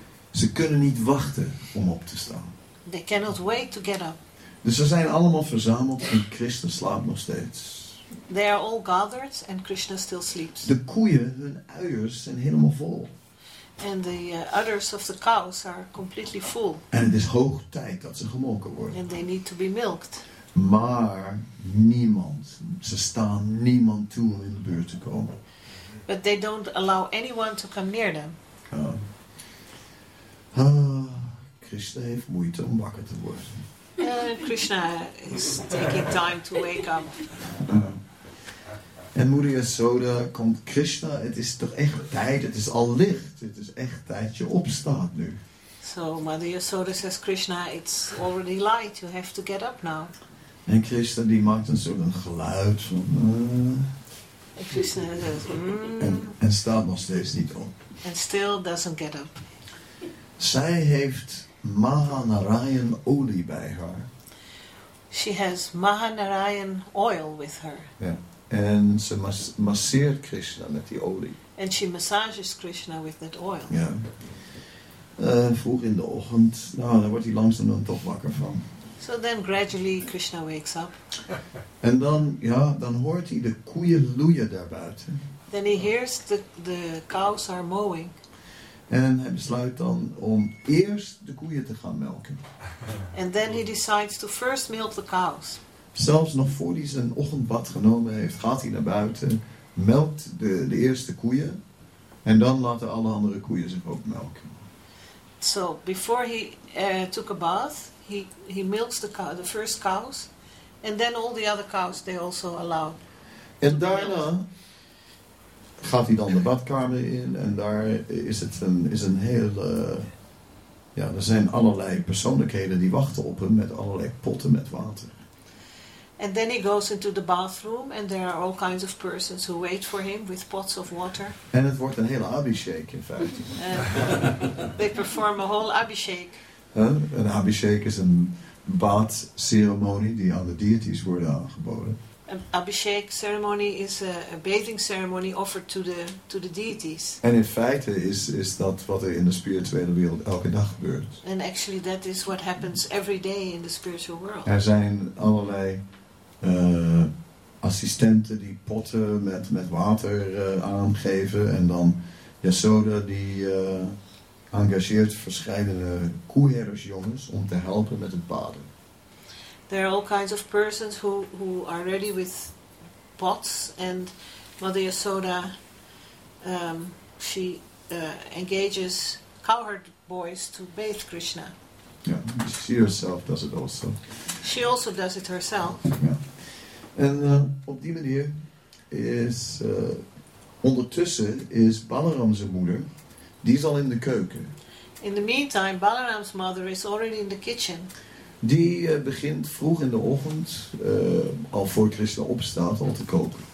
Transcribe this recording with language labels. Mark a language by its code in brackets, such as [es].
[nl] Ze kunnen niet wachten om op te staan. [en] They cannot wait to get up. [nl] Dus ze zijn allemaal verzameld en Krishna slaapt nog steeds. [en] They are all gathered and Krishna still sleeps. [nl] De koeien, hun uiers zijn helemaal vol. [en] And the udders of the cows are completely full. [nl] En het is hoog tijd dat ze gemolken worden. [en] And they need to be milked. [nl] Maar niemand, ze staan niemand toe om in de buurt te komen. [en] But they don't allow anyone to come near them. [nl] Krishna heeft moeite om wakker te worden. [en] Krishna is taking time to wake up. [nl] En moeder Yasoda komt, Krishna, het is toch echt tijd, het is al licht, het is echt tijd, je opstaat nu. [en] So mother Yasoda says, Krishna, it's already light, you have to get up now. [nl] En Krishna die maakt een soort een geluid van... [en] Krishna says, [nl] En staat nog steeds niet op. [en] And still doesn't get up. [nl] Zij heeft Mahanarayan olie bij haar. [en] She has Mahanarayan oil with her. [nl] Ja. En ze masseert Krishna met die olie. [en] And she massages Krishna with that oil. [nl] Ja. Vroeg in de ochtend, nou, daar wordt hij langzaam dan toch wakker van. [en] So then gradually Krishna wakes up. [nl] En dan, ja, dan hoort hij de koeien loeien daarbuiten. [en] Then he hears the cows are mowing. [nl] En hij besluit dan om eerst de koeien te gaan melken. [en] And then he decides to first milk the cows. [nl] Zelfs nog voor hij zijn ochtendbad genomen heeft, gaat hij naar buiten, melkt de eerste koeien en dan laten alle andere koeien zich ook melken. [en] So, before he took a bath, he milks the first cows and then all the other cows they also allow. [nl] En daarna gaat hij dan de badkamer in en daar is het een hele ja, er zijn allerlei persoonlijkheden die wachten op hem met allerlei potten met water. [en] And then he goes into the bathroom and there are all kinds of persons who wait for him with pots of water. [nl] En het wordt een hele abhishek in feite. [en] They perform a whole abhishek. [nl] Een abhishek is een baadceremonie die aan de deities worden aangeboden. [en] An abhishek ceremony is a bathing ceremony offered to the deities. [nl] En in feite is dat wat er in de spirituele wereld elke dag gebeurt. [en] And actually that is what happens every day in the spiritual world. [nl] Er zijn allerlei assistenten die potten met water aangeven en dan Yasoda die engageert verschillende koeherdersjongens om te helpen met het baden. [en] There are all kinds of persons who are ready with pots and Mother Yasoda she engages cowherd boys to bathe Krishna. Yeah, she herself does it also. She also does it herself. [nl] Yeah. En op die manier is ondertussen is Balaram's moeder, die is al in de keuken. [en] In the meantime, Balaram's mother is already in the kitchen. [nl] Die begint vroeg in de ochtend, al voor Krishna opstaat, al te koken.